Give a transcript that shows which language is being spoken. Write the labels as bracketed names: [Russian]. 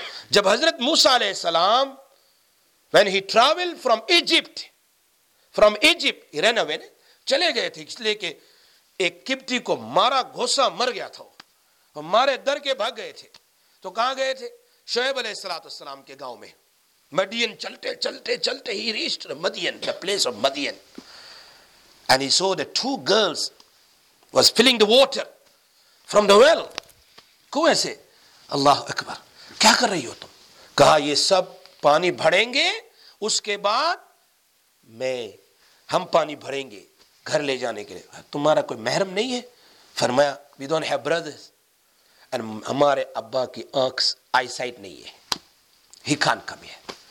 [Urdu] جب حضرت موسیٰ علیہ السلام [English] when he traveled from Egypt, he ran away, [Urdu] چلے گئے تھے، اس لیے کہ ایک قبطی کو مارا گھوسا مر گیا تھا، وہ مارے در کے بھاگ گئے تھے. تو کہاں گئے تھے؟ شعیب علیہ السلام السلام کے گاؤں میں مدین. چلتے چلتے چلتے [English] he reached Madyan, the place of Madyan. And he saw the two girls was filling the water from the well. [Urdu] کوئے سے؟ اللہ اکبر، کیا کر رہی ہو تم؟ کہا یہ سب پانی بھریں گے، اس کے بعد میں ہم پانی بھریں گے گھر لے جانے کے لیے. تمہارا کوئی محرم نہیں ہے؟ فرمایا [English] we don't have brothers, [Urdu] ہمارے ابا کی آنکھ آئی سائٹ نہیں ہے، [English] He can't come here.